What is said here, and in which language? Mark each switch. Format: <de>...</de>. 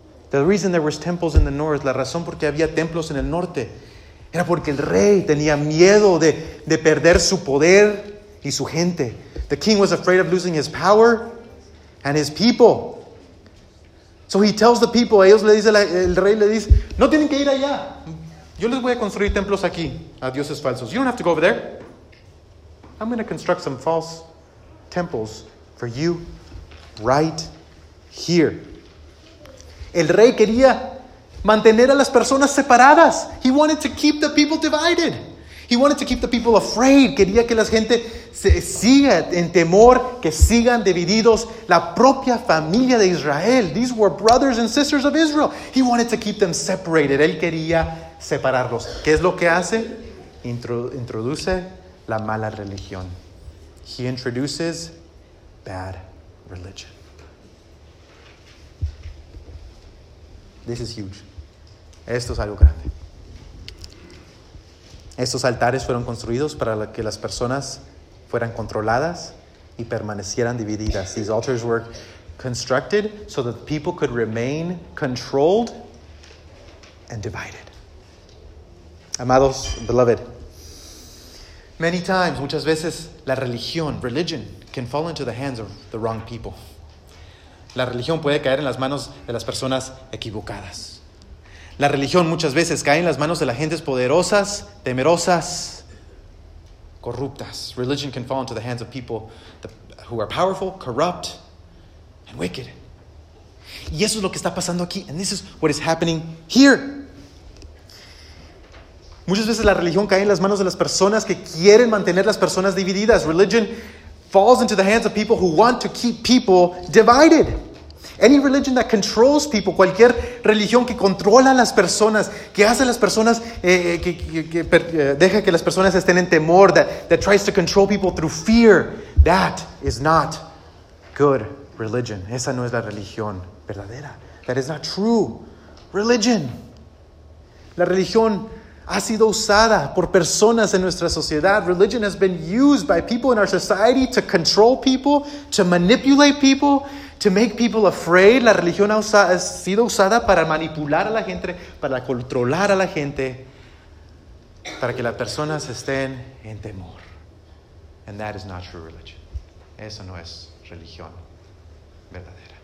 <en>The reason there was temples in the north,</en> <es>la razón por qué había templos en el norte, era porque el rey tenía miedo de perder su poder y su gente.</es> <en>The king was afraid of losing his power and his people. So he tells the people,</en> <es>ellos le dice, el rey le dice, no tienen que ir allá. Yo les voy a construir templos aquí, a dioses falsos.</es> <en>You don't have to go over there. I'm going to construct some false temples for you right here.</en> <es>El rey quería mantener a las personas separadas.</es> <en>He wanted to keep the people divided. He wanted to keep the people afraid.</en> <es>Quería que la gente se siga en temor, que sigan divididos. La propia familia de Israel.</es> <en>These were brothers and sisters of Israel. He wanted to keep them separated.</en> <es>Él quería separarlos. ¿Qué es lo que hace? Introduce la mala religión.</es> <en>He introduces bad religion. This is huge.</en> <es>Esto es algo grande. Estos altares fueron construidos para que las personas fueran controladas y permanecieran divididas.</es> <en>These altars were constructed so that people could remain controlled and divided. Amados, beloved, many times,</en> <es>muchas veces, la religión,</es> <en>religion, can fall into the hands of the wrong people.</en> <es>La religión puede caer en las manos de las personas equivocadas. La religión muchas veces cae en las manos de las gentes poderosas, temerosas, corruptas.</es> <en>Religion can fall into the hands of people who are powerful, corrupt, and wicked.</en> <es>Y eso es lo que está pasando aquí.</es> <en>And this is what is happening here.</en> <es>Muchas veces la religión cae en las manos de las personas que quieren mantener las personas divididas.</es> <en>Religion falls into the hands of people who want to keep people divided. Any religion that controls people,</en> <es>cualquier religión que controla a las personas, que hace a las personas, deja que las personas estén en temor,</es> <en>that tries to control people through fear, that is not good religion.</en> <es>Esa no es la religión verdadera.</es> <en>That is not true religion.</en> <es>La religión ha sido usada por personas en nuestra sociedad.</es> <en>Religion has been used by people in our society to control people, to manipulate people, to make people afraid.</en> <es>La religión ha sido usada para manipular a la gente, para controlar a la gente, para que las personas estén en temor.</es> <en>And that is not true religion.</en> <es>Eso no es religión verdadera.</es>